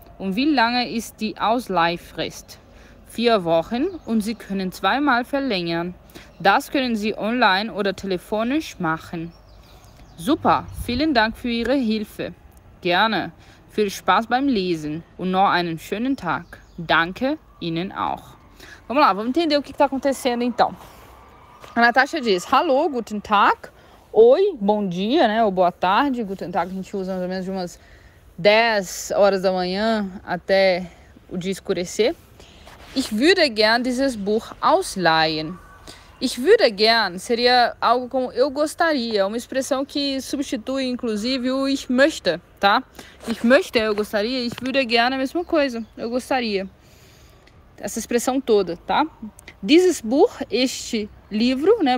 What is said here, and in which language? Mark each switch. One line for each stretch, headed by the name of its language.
German: Und wie lange ist die Ausleihfrist? 4 Wochen und Sie können zweimal verlängern. Das können Sie online oder telefonisch machen. Super, vielen Dank für Ihre Hilfe. Gerne. Viel Spaß beim Lesen und noch einen schönen Tag. Danke Ihnen auch.
Portuguese: Vamos lá, vamos entender o que está acontecendo então. A Natasha diz:
German: Hallo, guten Tag.
Portuguese: Oi, bom dia, né? Ou boa tarde. Guten Tag a gente usa mais ou menos de umas 10 horas da manhã até o dia escurecer.
German: Ich würde gern dieses Buch ausleihen. Ich würde gern
Portuguese: seria algo como eu gostaria, uma expressão que substitui inclusive o
German: ich möchte,
Portuguese: tá?
German: Ich möchte,
Portuguese: eu gostaria,
German: ich würde gern
Portuguese: é a mesma coisa, eu gostaria. Essa expressão toda, tá?
German: Dieses Buch,
Portuguese: este livro, né?